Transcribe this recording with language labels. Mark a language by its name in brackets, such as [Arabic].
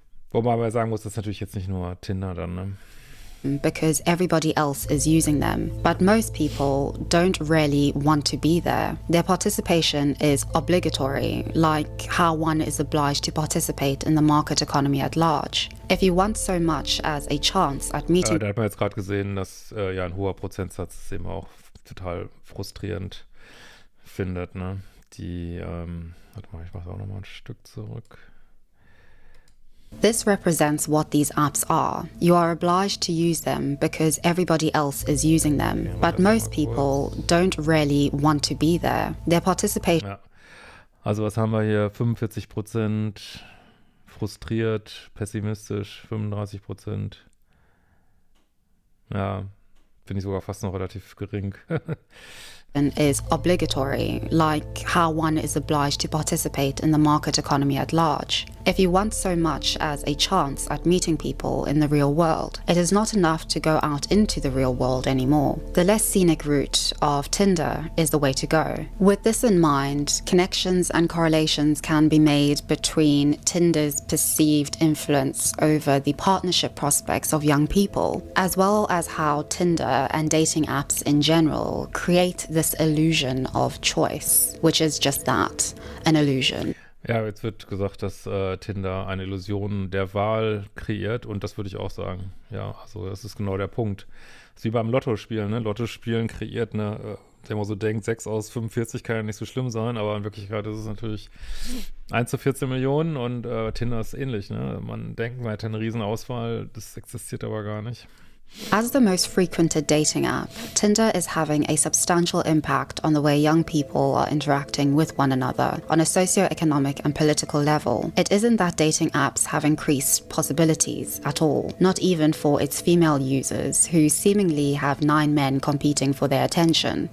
[German] Wobei man sagen muss, das ist natürlich jetzt nicht nur Tinder dann, ne? [English] Because everybody else is using them. But most people don't really want to be there. Their participation is obligatory, like how one is obliged to participate in the market economy at large. If you want so much as a chance at meeting... [German] Da hat man jetzt gerade gesehen, dass ja ein hoher Prozentsatz es eben auch total frustrierend findet, ne? Die, warte mal, ich mach's auch nochmal ein Stück zurück. [English] This represents what these apps are. You are obliged to use them because everybody else is using them. But most people don't really want to be there. Their participation. [German] Ja. Also was haben wir hier? 45% frustriert, pessimistisch, 35%. Ja, finde ich sogar fast noch relativ gering. [English] Is obligatory, like how one is obliged to participate in the market economy at large. If you want so much as a chance at meeting people in the real world, it is not enough to go out into the real world anymore. The less scenic route of Tinder is the way to go. With this in mind, connections and correlations can be made between Tinder's perceived influence over the partnership prospects of young people, as well as how Tinder and dating apps in general create this illusion of choice, which is just that, an illusion. [German] Ja, jetzt wird gesagt, dass Tinder eine Illusion der Wahl kreiert und das würde ich auch sagen. Ja, also das ist genau der Punkt. Das ist wie beim Lottospielen, ne? Lottospielen kreiert eine, wenn man so denkt, 6 aus 45 kann ja nicht so schlimm sein, aber in Wirklichkeit ist es natürlich 1 zu 14 Millionen und Tinder ist ähnlich, ne? Man denkt, man hätte eine Riesenauswahl, das existiert aber gar nicht. [English] As the most frequented dating app, Tinder is having a substantial impact on the way young people are interacting with one another on a socio-economic and political level. It isn't that dating apps have increased possibilities at all, not even for its female users who seemingly have 9 men competing for their attention.